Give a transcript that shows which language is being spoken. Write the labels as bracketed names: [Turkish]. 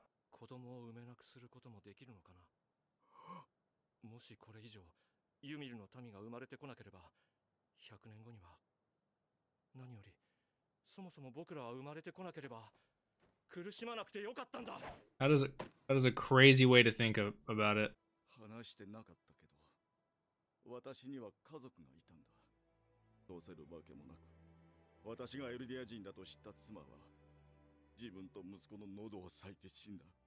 [Japanese] 子供を産めなくすることもできるのかな？もしこれ以上ユミルの民が生まれてこなければ、100年後には何より。そもそも僕らは生まれてこなければ苦しまなくてよかったんだ。 [English] That is a crazy way to think about it. [Japanese] 話してなかったけど、私には家族がいたんだ。どうせるわけもなく、私がエルディア人だと知った妻は、自分と息子の喉を裂いて死んだ。